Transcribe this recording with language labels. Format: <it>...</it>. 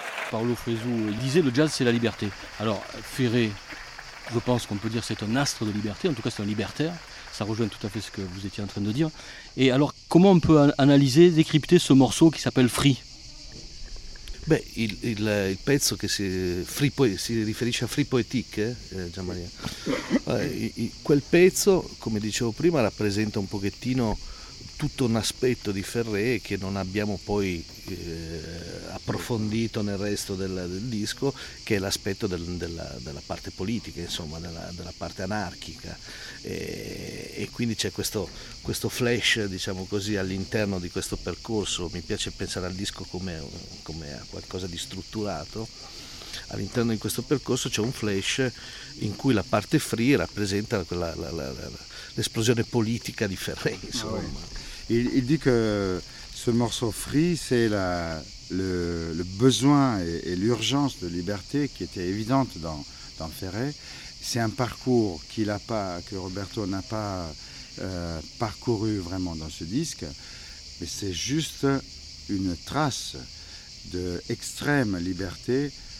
<fr>Paolo Frezu disait le jazz c'est la liberté. Alors Ferré, je pense qu'on peut dire c'est un astre de liberté, en tout cas c'est un libertaire, ça rejoint tout à fait ce que vous étiez en train de dire. Et alors comment on peut analyser, décrypter ce morceau qui s'appelle Free?</fr> <it>Beh, il pezzo che si riferisce a Free Poetic, Gian Maria. Quel pezzo, come dicevo prima, rappresenta un pochettino tutto un aspetto di Ferré che non abbiamo poi approfondito nel resto del disco, che è l'aspetto della parte politica, insomma, della parte anarchica. E quindi c'è questo flash, diciamo così, all'interno di questo percorso. Mi piace pensare al disco come a qualcosa di strutturato. All'interno di questo percorso c'è un flash in cui la parte free rappresenta l'esplosione politica di Ferré, insomma.</it> <fr>Ah, oui. Il dit que ce morceau free, c'est le besoin et l'urgence de liberté qui était évidente dans Ferré. C'est un parcours que Roberto n'a pas parcouru vraiment dans ce disque, mais c'est juste une trace d'extrême liberté.</fr>